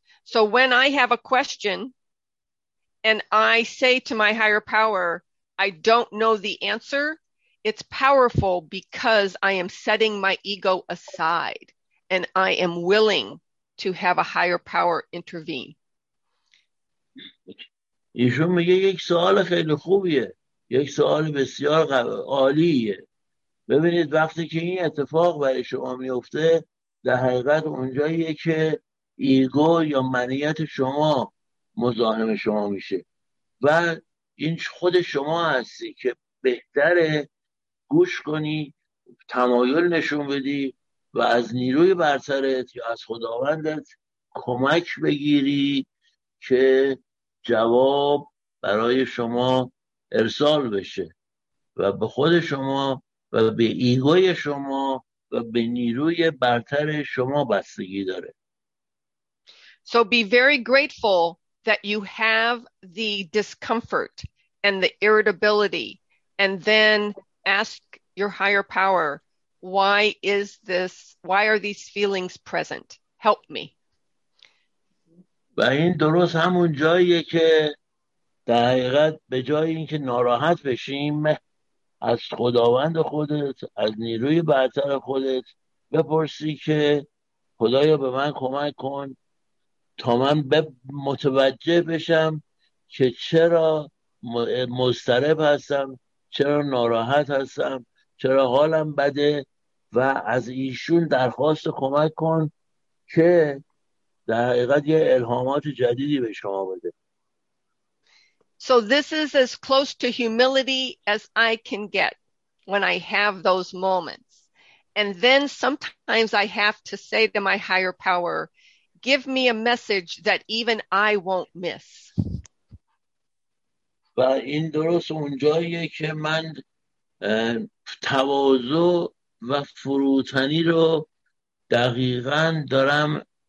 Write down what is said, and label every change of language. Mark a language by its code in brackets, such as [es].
[en] So when I have a question and I say to my higher power, I don't know the answer, it's powerful because I am setting my ego aside. And I am willing to have a higher power intervene. [fa] ایشون میگه یک سوال خیلی خوبیه. یک سوال بسیار عالیه. ببینید وقتی که این اتفاق برای شما میفته در حقیقت اونجاییه که ایگو یا منیت شما مزاحم شما میشه. و این خود شما هستی که بهتره گوش کنی، تمایل نشون بدی، و از نیروی برترت یا از خداوندت کمک بگیری که جواب برای شما ارسال بشه و به خود شما و به ایگوی شما و به نیروی برتر شما بستگی داره. [en] So be very grateful that you have the discomfort and the irritability and then ask your higher power, why is this, why are these feelings present? Help me. [fa] و این درست همون جاییه که در حقیقت به جای اینکه ناراحت بشیم از خداوند خودت، از نیروی برتر خودت بپرسی که خدایا به من کمک کن تا من متوجه بشم که چرا مضطرب هستم، چرا ناراحت هستم، چرا حالم بده، و از ایشون درخواست کمک کن که در حقیقت یه الهامات جدیدی به شما بده. [en] So this is as close to humility as I can get when I have those moments. And then sometimes I have to say to my higher power, give me a message that even I won't miss. [fa] و این درست اونجاییه که من تواضع و فروتنی رو دقیقاً دارم